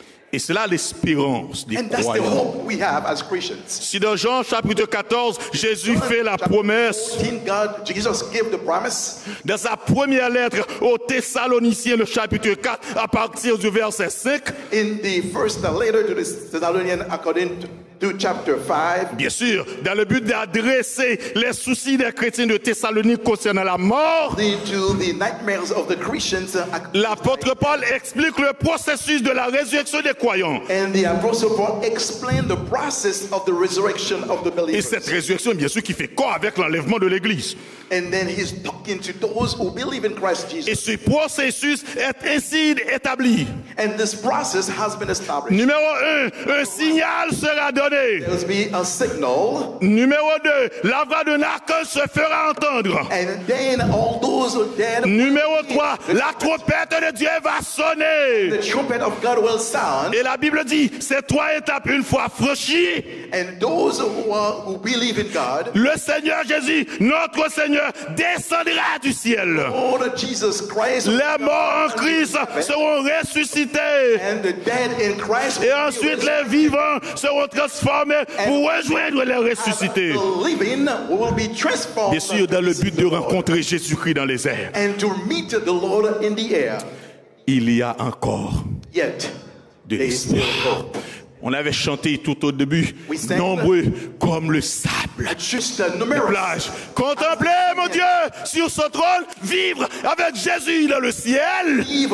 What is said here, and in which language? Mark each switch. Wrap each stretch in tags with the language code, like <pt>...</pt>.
<fr>Et c'est là l'espérance des croyants. Si dans Jean chapitre 14, Jésus fait la promesse,</fr> <en>Jesus gave the promise.</en> <fr>Dans sa première lettre aux Thessaloniciens, le chapitre 4, à partir du verset 5,</fr> <en>in the first letter to the Thessalonians, according to to chapter 5.</en> <fr>Bien sûr, dans le but d'adresser les soucis des chrétiens de Thessalonique concernant la mort, l'apôtre Paul explique le processus de la résurrection des croyants.</fr> <en>And the apostle Paul explained the process of the resurrection of the believers.</en> <fr>Et cette résurrection, bien sûr, qui fait corps avec l'enlèvement de l'église.</fr> <en>And then he's talking to those who believe in Christ Jesus.</en> <fr>Et ce processus est ainsi établi.</fr> <en>And this process has been established.</en> <fr>Numéro 1, un signal sera donné.</fr> <en>There will be a signal.</en> <fr>Numéro 2, la voix de l'archange se fera entendre.</fr> <en>And then all those who are dead.</en> <fr>Numéro 3, la trompette de Dieu va sonner.</fr> <en>And the trumpet of God will sound.</en> <fr>Et la Bible dit, ces trois étapes une fois franchies,</fr> <en>and those who believe in God,</en> <fr>le Seigneur Jésus, notre Seigneur, descendra du ciel.</fr> <en>Lord Jesus Christ,</en> <fr>les morts en Christ seront ressuscités.</fr> <en>And the dead in Christ,</en> <fr>et ensuite les vivants seront transformés pour rejoindre les ressuscités. Bien sûr, dans le but de rencontrer Jésus-Christ dans les airs.</fr> <en>And to meet the Lord in the air.</en> <fr>Il y a encore</fr> <en>yet,</en> <fr>de l'espoir. On avait chanté tout au début, nombreux comme le sable de plage. Contemplez, mon Dieu, sur son trône, vivre avec Jésus dans le ciel.</fr>